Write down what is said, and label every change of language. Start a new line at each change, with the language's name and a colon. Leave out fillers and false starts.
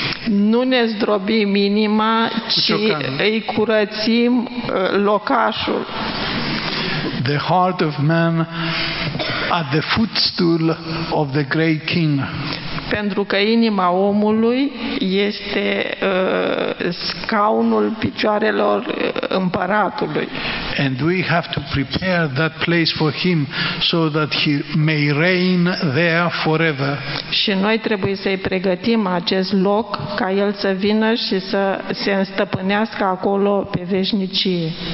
Romanian: Nu ne zdrobim inima, ci îi curățim locașul.
English: The heart of man at the footstool of the great king.
Romanian: Pentru că inima omului este scaunul picioarelor împăratului.
English: And we have to prepare that place for him so that he may reign there forever.
Romanian: Și noi trebuie să-i pregătim acest loc ca el să vină și să se înstăpânească acolo pe veșnicie.